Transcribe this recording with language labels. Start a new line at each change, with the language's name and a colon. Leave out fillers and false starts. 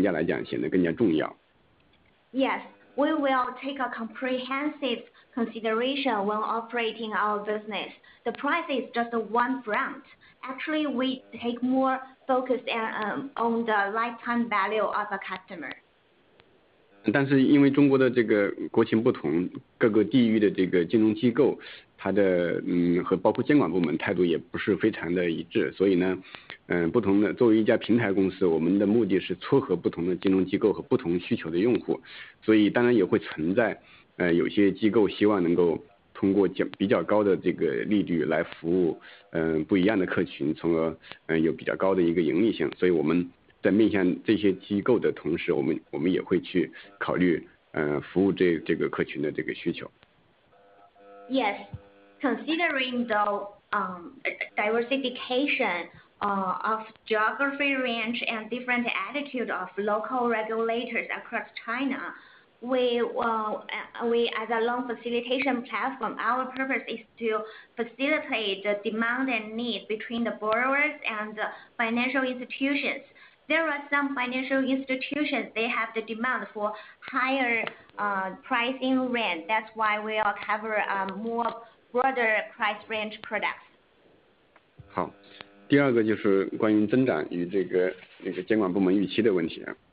Chinese: 定价是，我们认为定价是反映我们整个经济模型的一个切面。我们平时日常看的更多的还会是关于这个生命周期价值的。如果一个用户能够给公司带来更长的流程和生命周期价值，我们认为它相比定价来讲显得更加重要。 Yes,
English: we will take a comprehensive consideration when operating our business. The price is just one front. Actually, we take more focused on the lifetime value of a customer.
Chinese: 但是因为中国的这个国情不同，各个地域的这个金融机构，它的和包括监管部门态度也不是非常的一致，所以呢，不同的作为一家平台公司，我们的目的是撮合不同的金融机构和不同需求的用户，所以当然也会存在，有些机构希望能够通过比较高的这个利率来服务，不一样的客群，从而有比较高的一个盈利性，所以我们在面向这些机构的同时，我们也会去考虑服务这个客群的这个需求。
English: Yes, considering the diversification of geography range and different attitude of local regulators across China, we as a loan facilitation platform, our purpose is to facilitate the demand and need between the borrowers and the financial institutions. There are some financial institutions, they have the demand for higher pricing range. That's why we all cover more broader price range products.
Chinese: 好，第二个就是关于增长与这个监管部门预期的问题。